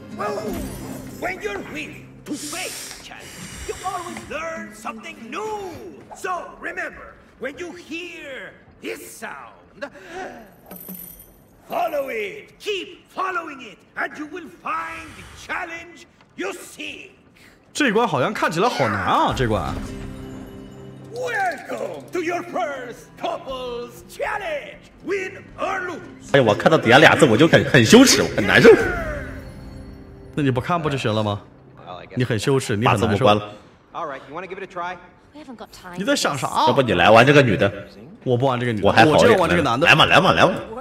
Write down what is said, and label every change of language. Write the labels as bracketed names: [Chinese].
[English] When you're willing to face challenges, you always learn something new. So remember, when you hear this sound. Follow it, keep following it, and you will find the challenge you seek. [Chinese] 这关好像看起来好难啊，这关。 [English] Welcome to your first couples challenge, win or lose. [Chinese] 哎呀，我看到底下俩字我就很羞耻，我很难受。那你不看不就行了吗？你很羞耻，你把字幕关了。 [English] Alright, you wanna give it a try? We haven't got time. [Chinese] 你在想啥？要不你来玩这个女的？我不玩这个女的，我还好点。我就玩这个男的。来嘛，来嘛，来嘛。